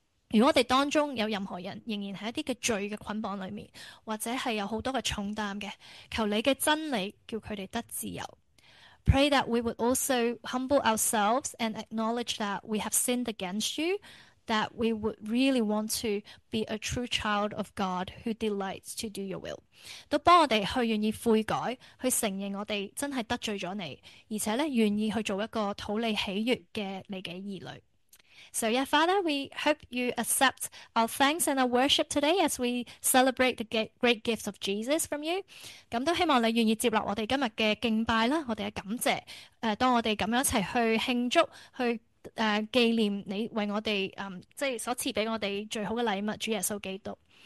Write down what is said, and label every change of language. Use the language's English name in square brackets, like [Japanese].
[Cantonese] 如果我哋当中有任何人仍然系一啲嘅罪嘅捆绑里面，或者系有好多嘅重担嘅，求你嘅真理叫佢哋得自由。 [English] Pray that we would also humble ourselves and acknowledge that we have sinned against you. that we would really want to be a true child of God who delights to do your will. [Cantonese] 都帮我们去愿意悔改，去承认我们真系得罪咗你，而且咧愿意去做一个讨你喜悦嘅你嘅儿女。 [English] So yeah, Father, we hope you accept our thanks and our worship today as we celebrate the great gifts of Jesus from you. [Cantonese] 咁都希望你愿意接纳我哋今日嘅敬拜啦，我哋嘅感谢。当我哋咁样一齐去庆祝，去纪念你为我哋即系所赐俾我哋最好嘅礼物，主耶稣基督。